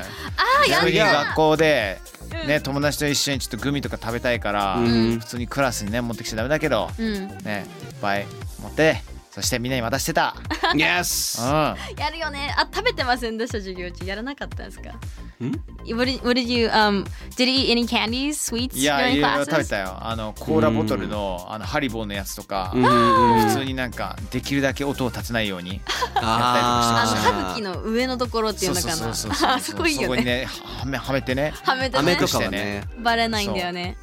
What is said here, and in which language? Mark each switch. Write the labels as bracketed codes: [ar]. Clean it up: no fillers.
[ja] あー、やった学校で、ね、友達と一緒にちょっとグミとか食べたいから、うん、普通にクラスにね持ってきちゃダメだけど、うん、ね、いっぱい持って、そしてみんなに渡してた。 [en] Yes。 [ja] うん、やるよね。あ、食べてませんでした授業中。やらなかったんですか。ん [en] What did you did you eat any candies, sweets during classes? [ja] いや、いろいろ食べたよ。コーラボトルの、あのハリボーのやつとか、普通になんかできるだけ音を立てないようにやったりとかして。歯茎の上のところっていうのかな。そこいいよね。そこにね、はめてね。はめてね。はめとかはね。バレないんだよね。